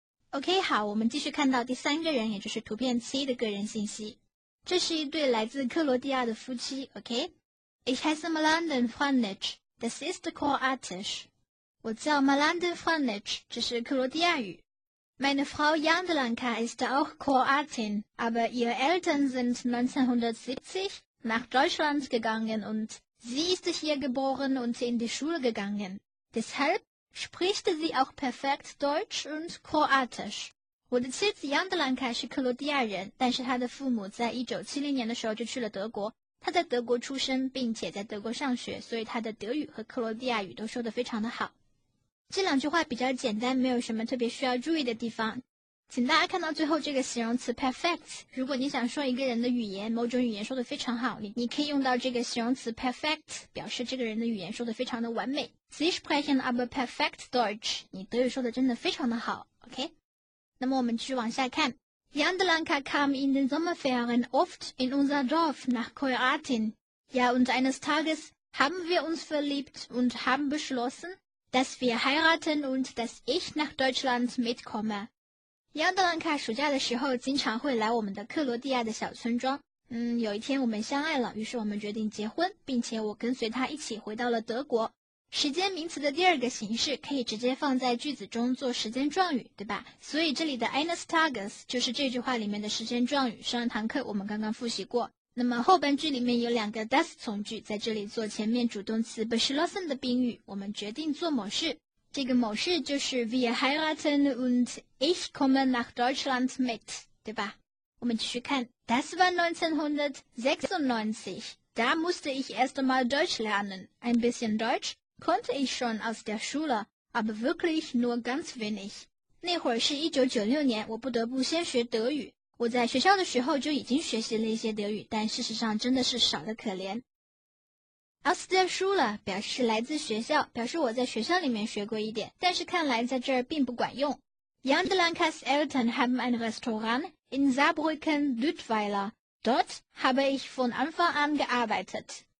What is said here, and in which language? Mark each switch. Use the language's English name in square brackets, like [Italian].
[Chinese] OK， 好，我们继续看到第三个人，也就是图片 C 的个人信息。这是一对来自克罗地亚的夫妻。 [German] OK， Ich heiße Melanden Franic， das ist Kroatisch。 [Chinese] 我叫 Melanden Franic， 这是克罗地亚语。 [German] Meine Frau Jandlanka ist auch Kroatin, aber ihre Eltern sind 1970 nach Deutschland gegangen und sie ist hier geboren und in die Schule gegangen. Deshalb spricht sie auch perfekt Deutsch und Kroatisch. [Chinese] 我的妻子 Jandlanka 是克罗地亚人，但是她的父母在1970年的时候就去了德国。她在德国出生并且在德国上学，所以她的德语和克罗地亚语都说得非常的好。这两句话比较简单，没有什么特别需要注意的地方。请大家看到最后这个形容词 perfect， 如果你想说一个人的语言，某种语言说得非常好， 你可以用到这个形容词 perfect， 表示这个人的语言说得非常的完美。 [German] Sie sprechen aber perfekt Deutsch， [Chinese] 你德语说得真的非常的好。 OK， 那么我们继续往下看。 [German] Jandlanka kam in den Sommerferien oft in unser Dorf nach Kroatien. Ja, und eines Tages haben wir uns verliebt und haben beschlossen,dass wir heiraten und dass ich nach Deutschland mitkomme. [Chinese] Jandlanka 暑假的时候经常会来我们的克罗地亚的小村庄。有一天我们相爱了，于是我们决定结婚，并且我跟随他一起回到了德国。时间名词的第二个形式可以直接放在句子中做时间状语，对吧？所以这里的 eines Tages 就是这句话里面的时间状语，上一堂课我们刚刚复习过。那么后半句里面有两个 das 从句，在这里做前面主动词 beschlossen 的宾语，我们决定做某事。这个某事就是 [German] wir heiraten und ich komme nach Deutschland mit， [Chinese] 对吧？我们继续看。 [German] Das war 1996. Da musste ich erst einmal Deutsch lernen. Ein bisschen Deutsch konnte ich schon aus der Schule, aber wirklich nur ganz wenig. [Chinese] 那会儿是1996年，我不得不先学德语。我在学校的时候就已经学习了一些德语，但事实上真的是少得可怜。 [German] Aus der Schule [Chinese] 表示来自学校，表示我在学校里面学过一点，但是看来在这儿并不管用。 [German] Jandlankas Eltern haben ein Restaurant in Saarbrücken-Lüttweiler. Dort habe ich von Anfang an gearbeitet.